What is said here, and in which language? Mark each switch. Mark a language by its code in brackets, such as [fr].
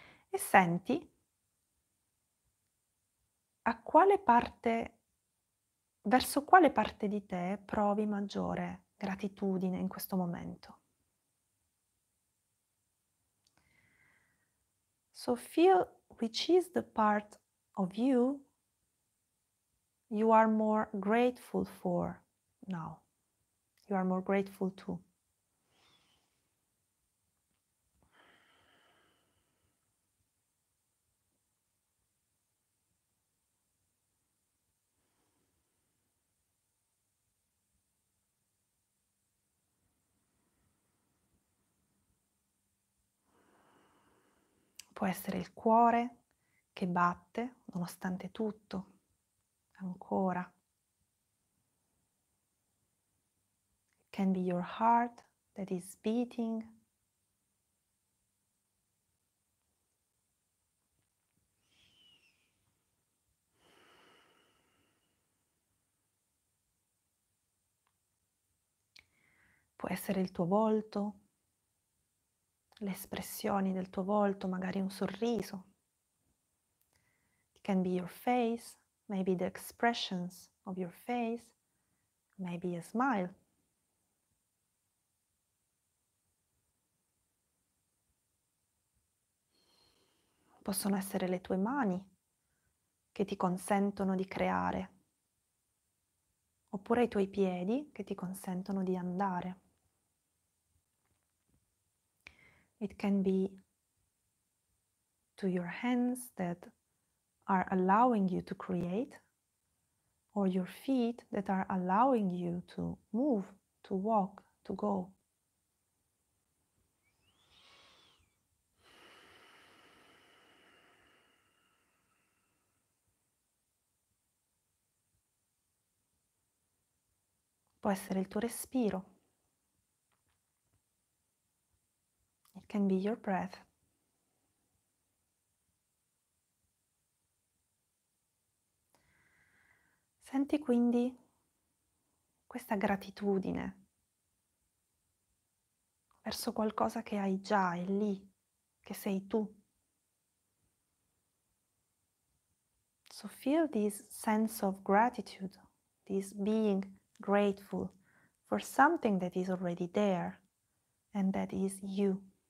[it] E senti a quale parte, verso quale parte di te provi maggiore gratitudine in questo momento. [en] So feel which is the part of you you are more grateful for now. You are more grateful to. [it] può essere il cuore che batte nonostante tutto, ancora. [en] It can be your heart that is beating. [it] Può essere il tuo volto, le espressioni del tuo volto, magari un sorriso. [en] It can be your face, maybe the expressions of your face, maybe a smile. [it] Possono essere le tue mani che ti consentono di creare, oppure i tuoi piedi che ti consentono di andare. [en] It can be to your hands that are allowing you to create, or your feet that are allowing you to move, to walk, to go. [it] Può essere il tuo respiro. [en] Can be your breath. [it] Senti quindi questa gratitudine verso qualcosa che hai già, è lì, che sei tu. [en] So feel this sense of gratitude, this being grateful for something that is already there and that is you.